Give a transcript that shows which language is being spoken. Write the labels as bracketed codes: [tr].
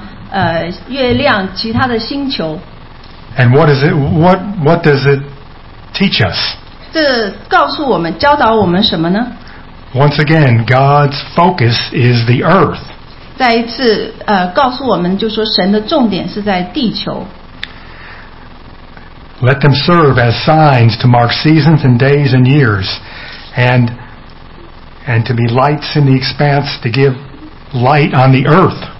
[zh] 这里我们看到神如何创造整个的宇宙，包括这个太阳、月亮、其他的星球。 [en] And what does it teach us? [zh] 这告诉我们，教导我们什么呢？ [en] Once again, God's focus is the earth. [zh] 再一次告诉我们，就说神的重点是在地球。 [en] Let them serve as signs to mark seasons and days and years, and to be lights in the expanse to give light on the earth.